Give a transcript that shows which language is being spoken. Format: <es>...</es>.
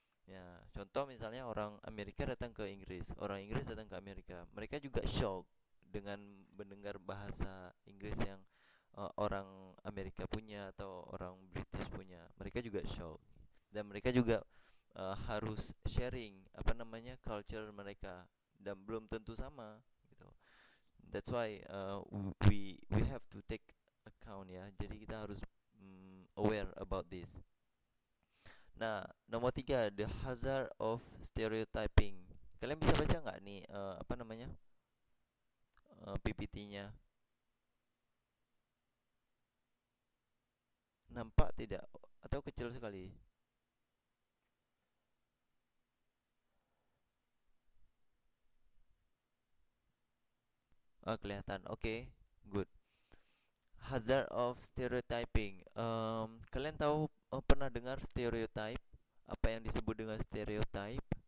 <id>Ya, contoh misalnya orang Amerika datang ke Inggris, orang Inggris datang ke Amerika, mereka juga shock dengan mendengar bahasa Inggris yang orang Amerika punya atau orang British punya, mereka juga shock dan mereka juga harus sharing apa namanya culture mereka dan belum tentu sama gitu.</id> <en>That's why we have to take account ya.</en> <id>Jadi kita harus aware</id> <en>about this.</en> <id>Nah, nomor tiga,</id> <en>the hazard of stereotyping.</en> <id>Kalian bisa baca nggak nih, apa namanya, PPT-nya? Nampak tidak? Atau kecil sekali? Oh, kelihatan. Oke, good.</id> <en>Hazard of stereotyping.</en> <id>Kalian tahu, pernah dengar stereotype? Apa yang disebut dengan stereotype?</id>